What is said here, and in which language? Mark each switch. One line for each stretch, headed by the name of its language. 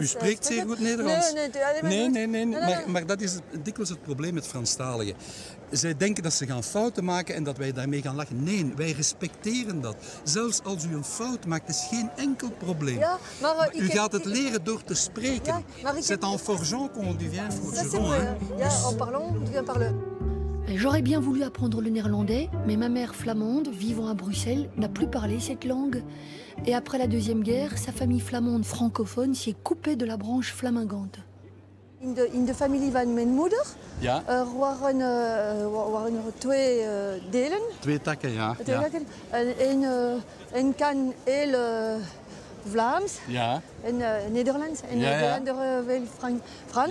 Dutch: U spreekt zeer goed Nederlands. Nee. Maar dat is dikwijls het probleem met Franstaligen. Zij denken dat ze gaan fouten maken en dat wij daarmee gaan lachen. Nee, wij respecteren dat. Zelfs als u een fout maakt, is geen enkel probleem. Ja, maar, u gaat het leren door te spreken.
French: C'est en forgeant qu'on devient forgeron. Ja, en parlant, on devient parleur. J'aurais bien voulu apprendre le néerlandais, mais ma mère flamande, vivant à Bruxelles, n'a plus parlé cette langue. Et après la Deuxième Guerre, sa famille flamande francophone s'est coupée de la branche flamingante.
Dutch: In de familie van mijn moeder waren er twee delen. Twee takken, ja. Twee takken. En kan heel Vlaams en Nederlands. En Nederlander wel Frans.